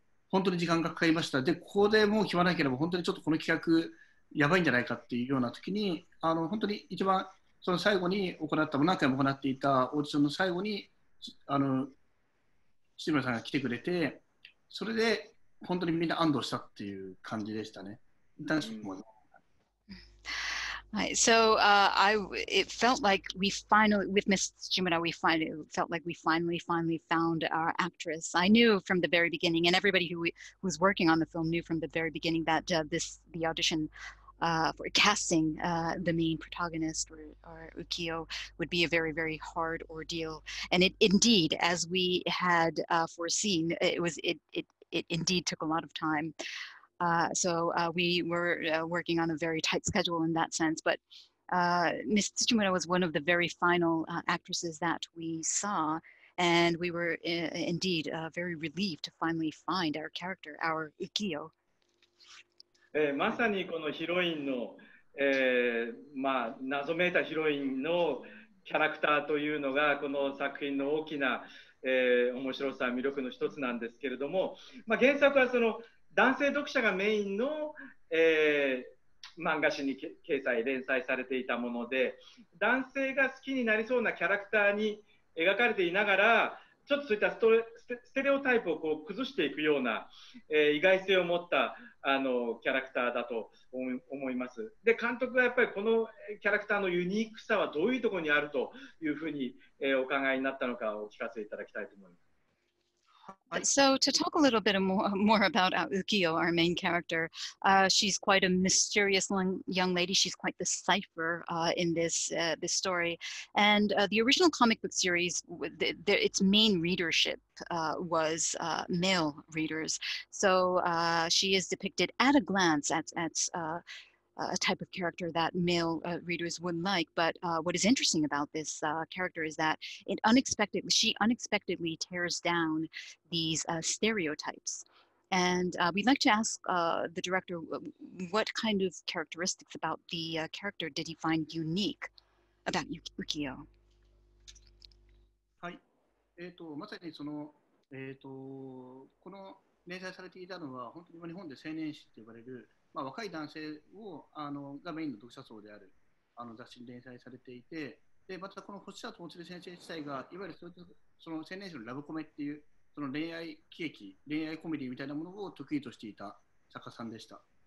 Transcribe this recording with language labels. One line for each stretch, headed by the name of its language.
Japanese: 本当に時間がかかりました。で、ここでもう決まらなければ本当にちょっとこの企画やばいんじゃないかっていうような時に、本当に一番その最後に行った、何回も行っていたオーディションの最後に志村さんが来てくれて、それで本当にみんな安堵したっていう感じでしたね。
English: Right. So it felt like we finally, with Ms. Shimura, we finally felt like we finally found our actress. I knew from the very beginning, and everybody who was working on the film knew from the very beginning that the audition for casting the main protagonist or Ukiyo would be a very, very hard ordeal. And it indeed, as we had foreseen, it indeed took a lot of time. So we were working on a very tight schedule in that sense, but Ms. Tsuchimura was one of the very final actresses that we saw, and we were indeed very relieved to finally find our character, our Ukiyo.
Japanese: まさにこのヒロインの、まあ、謎めいたヒロインのキャラクターというのがこの作品の大きな、面白さ、魅力の一つなんですけれども、まあ、原作はその男性読者がメインの、漫画誌に掲載連載されていたもので、男性が好きになりそうなキャラクターに描かれていながら、ちょっとそういったステレオタイプをこう崩していくような、意外性を持ったキャラクターだと思います。で、監督はやっぱりこのキャラクターのユニークさはどういうところにあるというふうに、お考えになったのかをお聞かせいただきたいと思います。
English: So to talk a little bit more about Ukiyo, our main character, she's quite a mysterious young lady. She's quite the cipher in this story. And the original comic book series, its main readership was male readers. So she is depicted at a glance as a type of character that male readers would like. But what is interesting about this character is that she unexpectedly tears down these stereotypes. And we'd like to ask the director, what kind of characteristics about the character did he find unique about Ukiyo?
Japanese: はい。まさにその、この連載されていたのは、本当に日本で青年誌と呼ばれる、まあ、若い男性をがメインの読者層である雑誌に連載されていて、でまたこの星里もつれ先生自体がいわゆるその青年誌のラブコメっていう、その恋愛喜劇、恋愛コメディみたいなものを得意としていた作家さんでした。